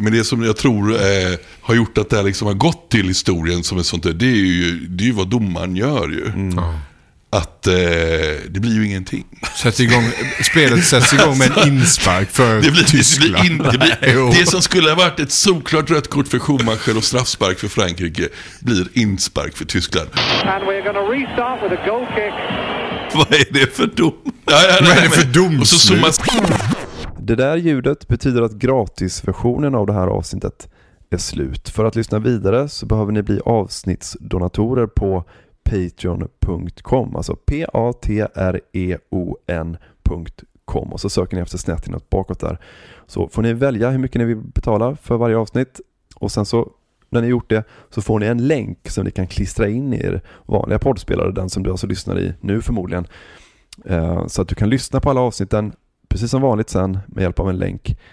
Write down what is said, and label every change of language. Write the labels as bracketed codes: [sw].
[sv] Men det som jag tror har gjort att det liksom har gått till historien som ett sånt där, det är ju vad domaren gör ju. Mm. Att det blir ju ingenting. Spelet sätts igång med en inspark för Tyskland. Det som skulle ha varit ett såklart rött kort för Schumacher och straffspark för Frankrike blir inspark för Tyskland. [en] And we're gonna restart with a goal kick. [sv] Vad är det för dom? Vad är det för dom? Och så zoomas. Det där ljudet betyder att gratisversionen av det här avsnittet är slut. För att lyssna vidare så behöver ni bli avsnittsdonatorer på patreon.com, alltså patreon.com, och så söker ni efter snett inåt bakåt där, så får ni välja hur mycket ni vill betala för varje avsnitt, och sen så när ni gjort det så får ni en länk som ni kan klistra in i er vanliga poddspelare, den som du alltså lyssnar i nu förmodligen, så att du kan lyssna på alla avsnitten precis som vanligt sen med hjälp av en länk.